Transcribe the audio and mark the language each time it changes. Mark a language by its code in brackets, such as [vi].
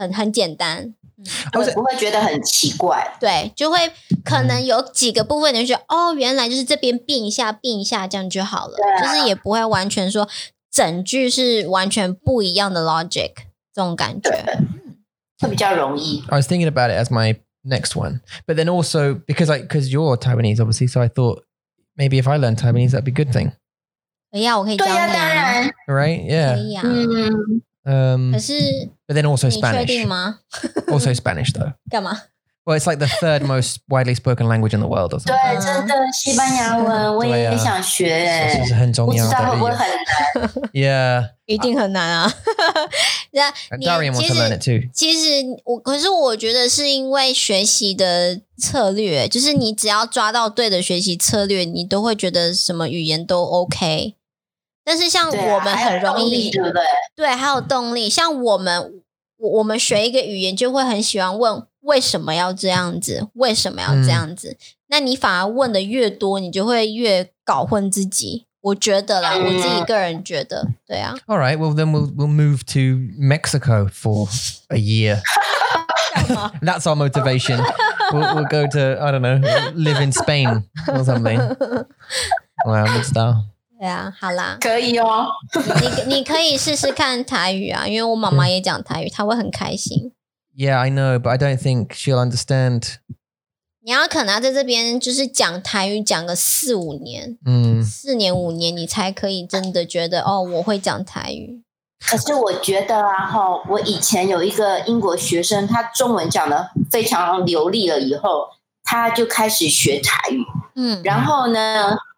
[zh] 很简单。不会觉得很奇怪。对，就会可能有几个部分你会觉得，哦，原来就是这边并一下并一下，这样就好了。就是也不会完全说整句是完全不一样的logic，这种感觉。会比较容易。 [en] I was thinking about it as my next one. But then also, because you're Taiwanese, obviously, so I thought maybe if I learn Taiwanese, that'd be a good thing. [zh] 哎呀，我可以教你啊。 [en] Right, yeah. [zh] 可以啊。可是 [en] But then also Spanish. [zh] 你确定吗? [en] Also Spanish though. [zh] 干嘛? [en] Well, it's like the third most widely spoken language in the world or something. [zh] 对，真的，西班牙文我也很想学。这是很重要的。不知道会不会很难。 [en] Yeah. [zh] 一定很难啊。那你 [en] Darian wants to learn it too. [zh] 其实我觉得是因为学习的策略，就是你只要抓到对的学习策略，你都会觉得什么语言都 OK。但是像我们很容易，对不对？对，还有动力。像我们，我们学一个语言，就会很喜欢问为什么要这样子，为什么要这样子。那你反而问的越多，你就会越搞混自己。我觉得啦，我自己个人觉得，对啊。 [en] All right, well then we'll move to Mexico for a year. That's our motivation. We'll go to, I don't know, live in Spain or something. Wow, good style. [zh] 对啊，好啦，可以哦。你可以试试看台语啊，因为我妈妈也讲台语，她会很开心。 [en] Yeah, I know, but I don't think she'll understand. [zh] 你要可能要在这边就是讲台语讲个四五年，四年五年，你才可以真的觉得哦，我会讲台语。可是我觉得啊，我以前有一个英国学生，他中文讲得非常流利了以后，他就开始学台语。然后呢？